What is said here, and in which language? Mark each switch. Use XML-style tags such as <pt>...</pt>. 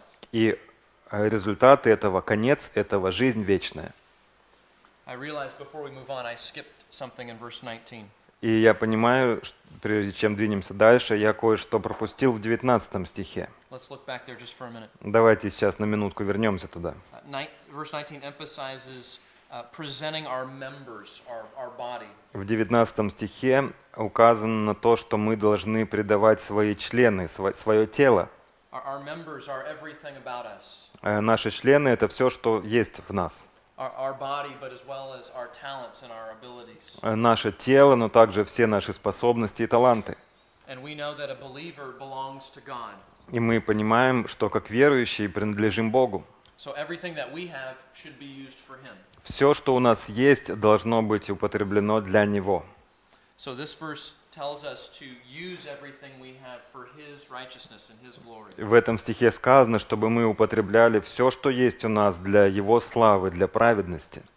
<ru>И результаты этого, конец этого, жизнь вечная.</ru> <en>I realized before we move on, I skipped something in verse 19.</en> <ru>И я понимаю, прежде чем двинемся дальше, я кое-что пропустил в 19 стихе.</ru> <en>Let's look back there just for a minute.</en> <ru>Давайте сейчас на минутку вернемся туда.</ru> <en>Verse 19 emphasizes presenting our members, our body.</en> <ru>В 19 стихе указано на то, что мы должны предавать свои члены, свое тело.</ru> <en>Our members are everything about us.</en> <ru>Наши члены — это все, что есть в нас.</ru> <en>Our body, but as well as our talents and our abilities.</en> <ru>Наше тело, но также все наши способности и таланты.</ru> <en>And we know that a believer belongs to God.</en> <ru>И мы понимаем, что как верующие принадлежим Богу.</ru> <en>So everything that we have should be used for Him.</en> <ru>Все, что у нас есть, должно быть употреблено для Него.</ru> <en>So this verse tells us to use everything we have for His righteousness and His glory.</en> <ru>В этом стихе сказано, чтобы мы употребляли все, что есть у нас, для Его славы, для праведности.</ru>